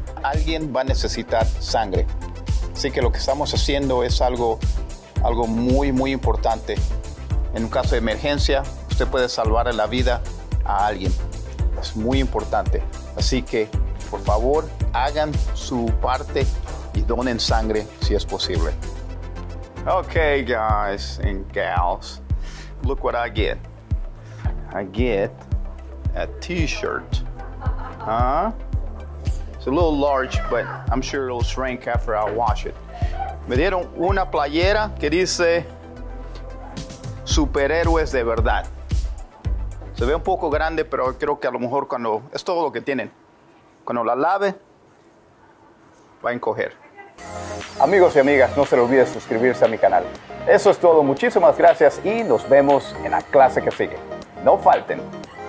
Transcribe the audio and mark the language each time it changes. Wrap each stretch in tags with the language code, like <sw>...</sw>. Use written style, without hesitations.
<es>Alguien va a necesitar sangre. Así que lo que estamos haciendo es algo muy, muy importante. En un caso de emergencia, usted puede salvar la vida a alguien. Es muy importante. Así que, por favor, hagan su parte y donen sangre si es posible.</es> <en>Okay, guys and gals, look what I get. I get a t-shirt, huh? It's a little large, but I'm sure it'll shrink after I wash it.</en> <es>Me dieron una playera que dice superhéroes de verdad. Se ve un poco grande, pero creo que a lo mejor cuando, es todo lo que tienen. Cuando la lave, va a encoger. Amigos y amigas, no se les olvide suscribirse a mi canal. Eso es todo, muchísimas gracias y nos vemos en la clase que sigue. No falten.</es>